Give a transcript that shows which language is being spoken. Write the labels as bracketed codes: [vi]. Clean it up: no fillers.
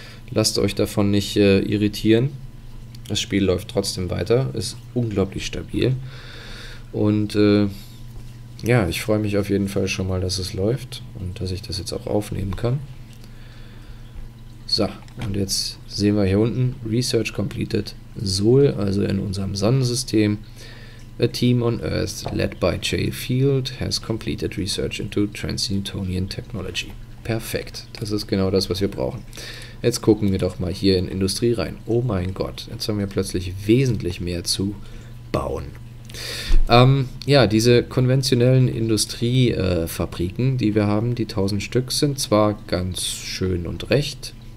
[de] Lasst euch davon nicht irritieren. Das Spiel läuft trotzdem weiter, ist unglaublich stabil. Und ja, ich freue mich auf jeden Fall schon mal, dass es läuft und dass ich das jetzt auch aufnehmen kann. So, und jetzt sehen wir hier unten [en] Research Completed Sol, [de] also in unserem Sonnensystem. [en] A team on Earth led by Jay Field has completed research into Transneptunian technology. [de] Perfekt, das ist genau das, was wir brauchen. Jetzt gucken wir doch mal hier in Industrie rein. Oh mein Gott, jetzt haben wir plötzlich wesentlich mehr zu bauen. Ja, diese konventionellen Industriefabriken, die wir haben, die 1000 Stück, sind zwar ganz schön und recht.